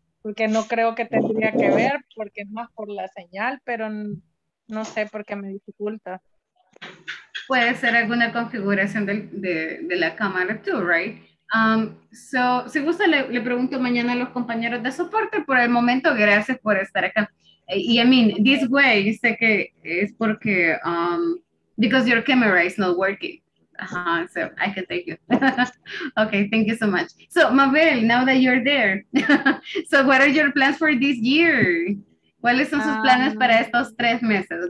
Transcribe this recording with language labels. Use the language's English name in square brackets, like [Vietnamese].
[Spanish] Porque no creo que tendría que ver, porque es más por la señal, pero no sé por qué me dificulta. Puede ser alguna configuración de la cámara [English] too, right? [Spanish] So, si gusta, le pregunto mañana a los compañeros de soporte. Por el momento, gracias por estar acá. [English] Y, I mean, this way, [Spanish] sé que es porque, [English] because your camera is not working. So I can take you. Okay, thank you so much. So Mabel, now that you're there, so what are your plans for this year? [Spanish] ¿Cuáles son sus planes para estos tres meses?